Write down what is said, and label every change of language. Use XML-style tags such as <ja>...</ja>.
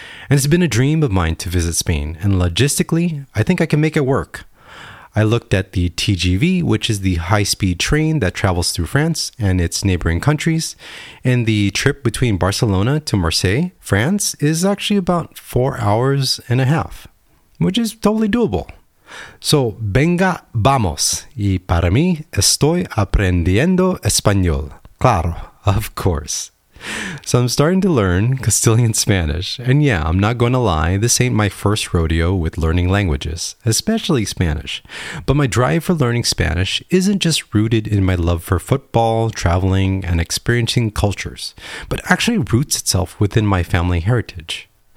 <en>And it's been a dream of mine to visit Spain, and logistically, I think I can make it work. I looked at the TGV, which is the high-speed train that travels through France and its neighboring countries, and the trip between Barcelona to Marseille, France, is actually about 4.5 hours, which is totally doable.</en> <es>So, venga, vamos, y para mí estoy aprendiendo español.</es> <en>Claro, of course. So I'm starting to learn Castilian Spanish, and yeah, I'm not going to lie, this ain't my first rodeo with learning languages, especially Spanish, but my drive for learning Spanish isn't just rooted in my love for football, traveling, and experiencing cultures, but actually roots itself within my family heritage.</en>